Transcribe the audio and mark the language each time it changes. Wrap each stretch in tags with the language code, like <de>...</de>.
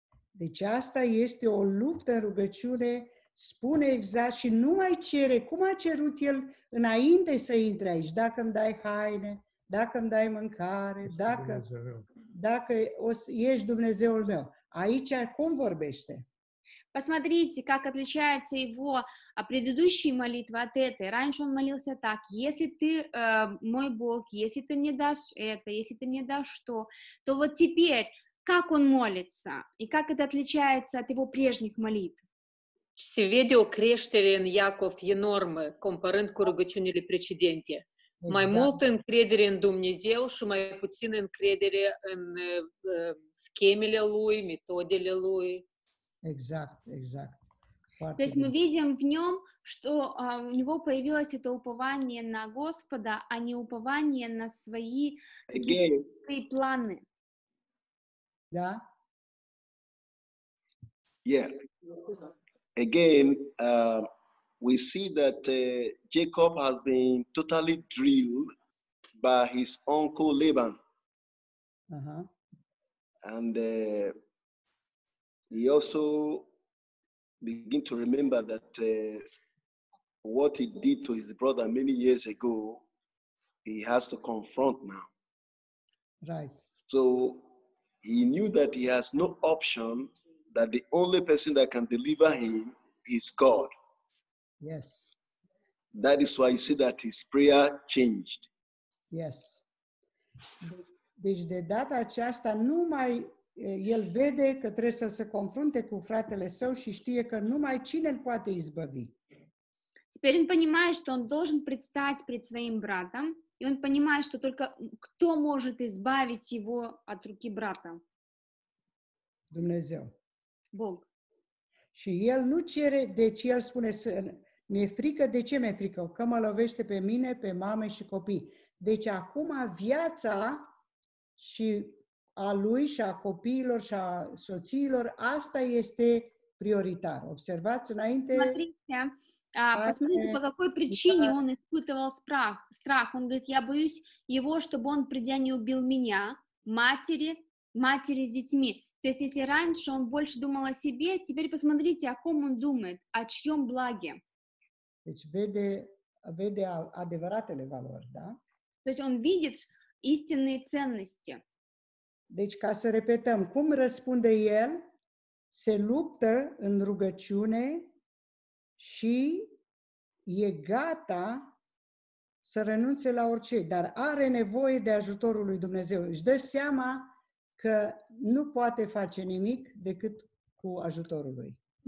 <ro>Deci asta este o luptă în rugăciune, spune exact și nu mai cere. Cum a cerut el înainte să intre aici? Dacă îmi dai haine, dacă îmi dai mâncare, dacă ești Dumnezeul meu. Aici cum vorbește?</ro> <ru>Посмотрите, как отличается его предыдущая молитва от этой. Раньше он молился так: если ты мой Бог, если ты мне дашь это, если ты мне дашь то, то вот теперь как он молится и как это отличается от его прежних молитв?</ru> <ro>Se vede o creștere în Iacov enormă comparând cu rugăciunile precedente. Mai multă încredere în Dumnezeu și mai puțină încredere în schemele lui, metodele lui. Exact, exact. Foarte.</ro> <ru>То есть мы видим в нем, что у него появилось это упование на Господа, а не упование на свои какие-то планы. Да?</ru> <en>Yeah. Again, we see that Jacob has been totally drilled by his uncle Laban. Uh-huh. And he also begin to remember that what he did to his brother many years ago, he has to confront now. Right. So he knew that he has no option, that the only person that can deliver him is God. Yes. That is why you see that his prayer changed. Yes.</en> <ro>Deci de data aceasta nu mai... El vede că trebuie să se confrunte cu fratele său și știe că numai cine îl poate izbăvi.</ro> <ru>Теперь он понимает, что он должен предстать пред своим братом, и он понимает, что только кто может избавить его от руки брата?</ru> <ro>Dumnezeu.</ro> <ru>Бог.</ru> <ro>Și el nu cere, deci el spune să mi-e frică, de ce mi-e frică? Că mă lovește pe mine, pe mame și copii. Deci acum viața și a lui și a copiilor și a soțiilor, asta este prioritar. Observați înainte.</ro> <ru>Смотрите, посмотрите, по какой причине он испытывал страх. Страх, он говорит, я боюсь его, чтобы он, придя, не убил меня, матери с детьми. То есть, если раньше он больше думал о себе, теперь посмотрите, о ком он думает, о чьем благе.</ru> <ro>Deci vede adevăratele valori, да?</ro> <ru>То есть он видит истинные ценности.</ru> <ro>Deci, ca să repetăm, cum răspunde el, se luptă în rugăciune și e gata să renunțe la orice, dar are nevoie de ajutorul lui Dumnezeu. Își dă seama că nu poate face nimic decât cu ajutorul lui.</ro>